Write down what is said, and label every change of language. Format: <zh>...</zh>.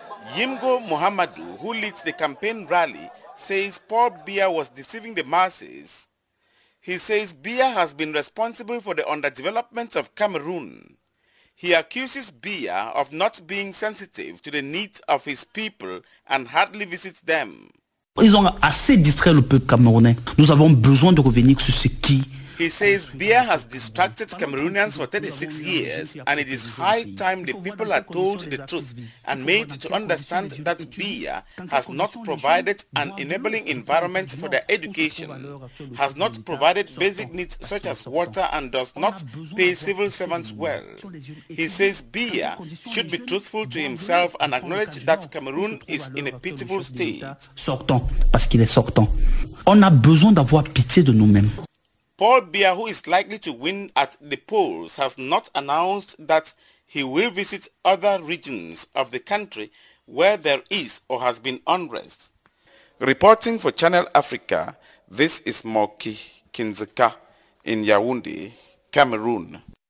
<en>Yimgo Muhammadu, who leads the campaign rally, says Paul Biya was deceiving the masses. He says Biya has been responsible for the underdevelopment of Cameroon. He accuses Biya of not being sensitive to the needs of his people and hardly visits them.</en> <fr>Ils ont assez distrait le peuple camerounais. Nous avons besoin de revenir sur ce qui.</fr> <en>He says Biya has distracted Cameroonians for 36 years and it is high time the people are told the truth and made to understand that Biya has not provided an enabling environment for their education, has not provided basic needs such as water and does not pay civil servants well. He says Biya should be truthful to himself and acknowledge that Cameroon is in a pitiful state.</en> <fr>Sortons, parce qu'il est sortant. On a besoin d'avoir pitié de nous-mêmes.</fr> <en>Paul Biya, who is likely to win at the polls, has not announced that he will visit other regions of the country where there is or has been unrest. Reporting for Channel Africa, this is Moki Kinzeka in Yaoundé, Cameroon.</en>